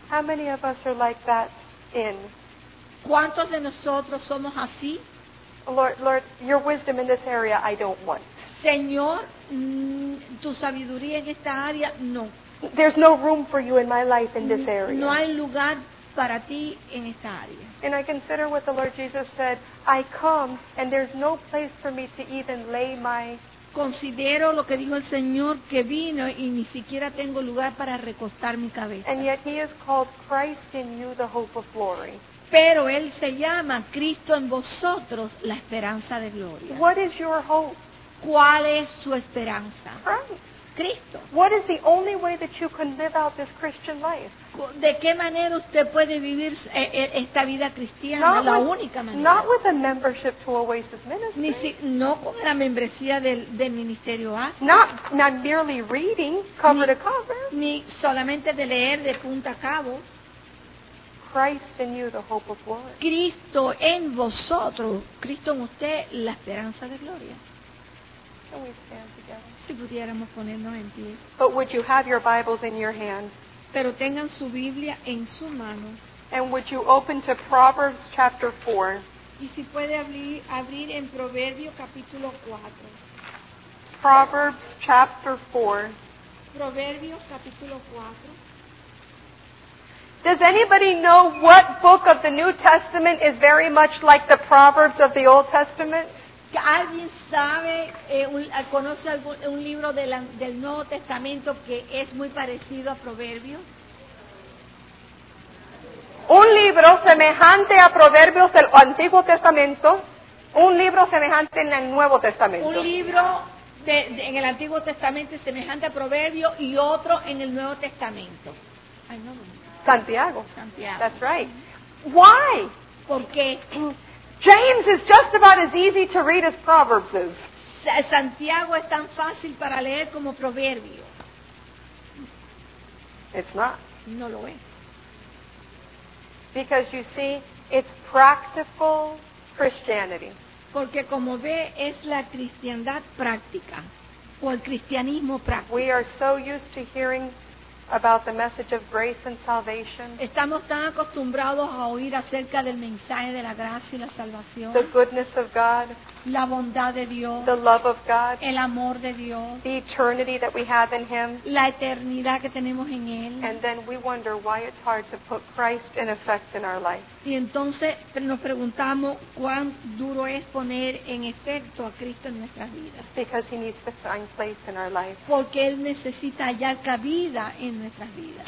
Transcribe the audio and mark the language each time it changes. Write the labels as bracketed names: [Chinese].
[English] How many of us are like that inn? [Spanish] ¿Cuántos de nosotros somos así? [English] Lord, your wisdom in this area I don't want. [Spanish] Señor, tu sabiduría en esta área no. [English] There's no room for you in my life in this area. [Spanish] No hay lugar para ti en esta área. [English] And I consider what the Lord Jesus said, I come and there's no place for me to even lay my... [Spanish] Considero lo que dijo el Señor que vino y ni siquiera tengo lugar para recostar mi cabeza. [English] And yet he is called Christ in you, the hope of glory. [Spanish] Pero Él se llama Cristo en vosotros, la esperanza de gloria. [English] What is your hope? [Spanish] ¿Cuál es su esperanza? [English] Christ. [Spanish] Cristo. [English] What is the only way that you can live out this Christian life? [Spanish] ¿De qué manera usted puede vivir esta vida cristiana? [English] Not [Spanish] la [English] with, [Spanish] única manera. [English] Not with a membership to Oasis Ministry. [Spanish] Ni si, no con la membresía del ministerio A. [English] Not merely reading cover to cover. [Spanish] Ni solamente de leer de punta a cabo. [English] Christ in you, the hope of glory. [Spanish] Cristo en vosotros, Cristo en usted, la esperanza de gloria. [English] Can we stand together? [Spanish] Si pudiéramos ponernos en pie. [English] But would you have your Bibles in your hand? [Spanish] Pero tengan su Biblia en su mano. [English] And would you open to Proverbs chapter 4? [Spanish] Y si puede abrir en Proverbios capítulo 4. [English] Proverbs chapter 4. [Spanish] Proverbios capítulo 4. [English] Does anybody know what book of the New Testament is very much like the Proverbs of the Old Testament? [Spanish] ¿Alguien sabe, conoce un libro del Nuevo Testamento que es muy parecido a Proverbios? Un libro semejante a Proverbios del Antiguo Testamento, un libro semejante en el Nuevo Testamento. Un libro en el Antiguo Testamento semejante a Proverbios y otro en el Nuevo Testamento. Santiago. Santiago. [English] That's right. Why? [Spanish] ¿Por qué? [English] James is just about as easy to read as Proverbs is. [Spanish] Santiago es tan fácil para leer como Proverbio. [English] It's not. [Spanish] No lo es. [English] Because you see, it's practical Christianity. [Spanish] Porque como ve, es la cristiandad práctica, o el cristianismo práctico. [English] We are so used to hearing about the message of grace and salvation. [Spanish] Estamos tan acostumbrados a oír acerca del mensaje de la gracia y la salvación. [English] The goodness of God. [Spanish] La bondad de Dios. [English] The love of God. [Spanish] El amor de Dios. [English] The eternity that we have in Him. [Spanish] La eternidad que tenemos en Él. [English] And then we wonder why it's hard to put Christ in effect in our life. [Spanish] Y entonces nos preguntamos cuán duro es poner en efecto a Cristo en nuestras vidas. [English] Because He needs to find place in our life. [Spanish] Porque Él necesita hallar cabida en nuestras vidas.